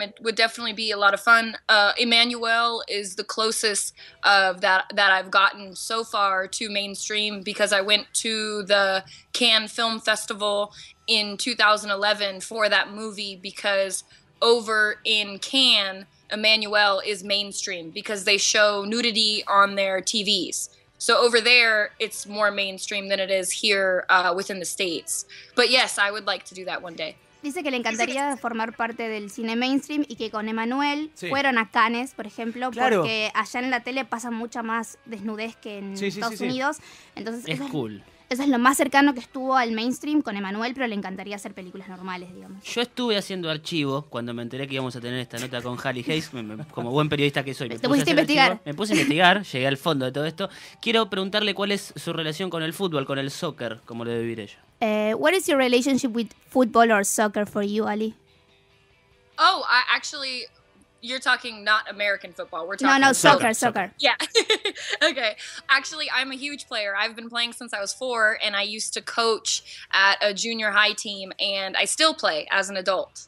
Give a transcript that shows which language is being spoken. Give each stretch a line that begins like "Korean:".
English: It would definitely be a lot of fun. Emmanuel is the closest of that I've gotten so far to mainstream, because I went to the Cannes Film Festival in 2011 for that movie, because over in Cannes, Emmanuel is mainstream because they show nudity on their TVs. So over there, it's more mainstream than it is here within the States. But yes, I would like to do that one day.
Spanish: Dice que le encantaría formar parte del cine mainstream y que con Emmanuel fueron a Cannes, por ejemplo, claro, porque allá en la tele pasa mucha más desnudez que en Estados Unidos. Entonces, es cool. Eso es lo más cercano que estuvo al mainstream con Emmanuel, pero le encantaría hacer películas normales, digamos. Yo estuve haciendo archivo cuando me enteré que íbamos a tener esta nota con Halle Hayes, como buen periodista que soy. Me puse a investigar, llegué al fondo de todo esto. Quiero preguntarle cuál es su relación con el fútbol, con el soccer, como lo debe vivir ella.
English: What is your relationship with football or soccer for you, Ali? Oh, I actually, you're talking not American football. We're talking soccer. Yeah. Okay. Actually, I'm a huge player. I've been playing since I was 4, and I used to coach at a junior high team, and I still play as an adult.